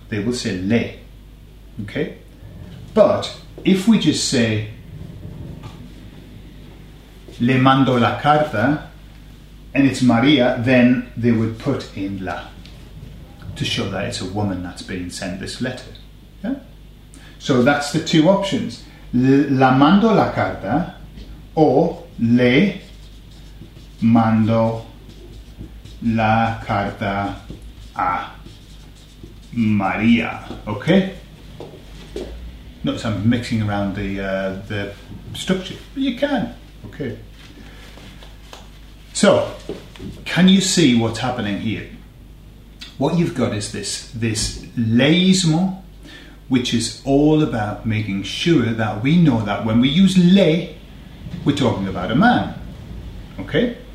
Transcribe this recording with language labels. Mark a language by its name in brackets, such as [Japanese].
[English] They will say le, okay? But if we just say, [Spanish] le mando la carta, [English] and it's María, then they would put in la, to show that it's a woman that's being sent this letter. Yeah? So that's the two options. [Spanish] La mando la carta, [English] or [Spanish] le mando la carta a María. [English] Okay? Notice I'm mixing around the structure, but you can, okay. So, can you see what's happening here? What you've got is this laismo, which is all about making sure that we know that when we use le, we're talking about a man, Okay?